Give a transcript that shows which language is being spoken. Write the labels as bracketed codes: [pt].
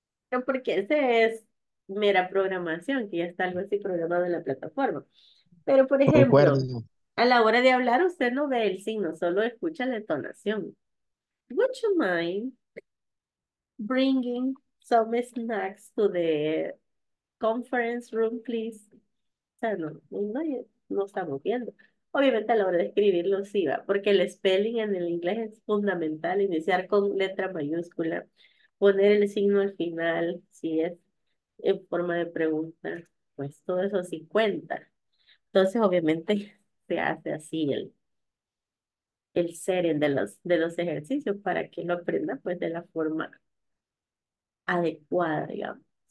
[es] No, porque ese es mera programación, que ya está algo así programado en la plataforma. Pero, por ejemplo, a la hora de hablar, usted no ve el signo, solo escucha la entonación. [en] Would you mind bringing some snacks to the conference room, please? [es] O sea, no estamos viendo. Obviamente a la hora de escribirlo sí va, porque el spelling en el inglés es fundamental, iniciar con letra mayúscula, poner el signo al final, si es en forma de pregunta, pues todo eso sí cuenta. Entonces obviamente se hace así el setting de los ejercicios para que lo aprenda pues de la forma adecuada, digamos.